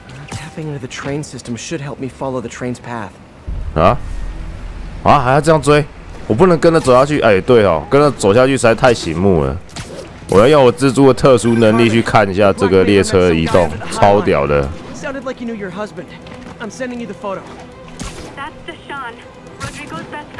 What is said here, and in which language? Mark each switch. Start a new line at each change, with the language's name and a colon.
English: Tapping into the train system should help me follow the train's path.
Chinese: 啊？还要这样追？我不能跟着走下去。哎，对哦，跟着走下去实在太醒目了。我要用我蜘蛛的特殊能力去看一下这个列车移动，超屌的。
English: Sounded like you knew your husband. I'm sending you the photo. That's Deshawn, Rodrigo's best friend.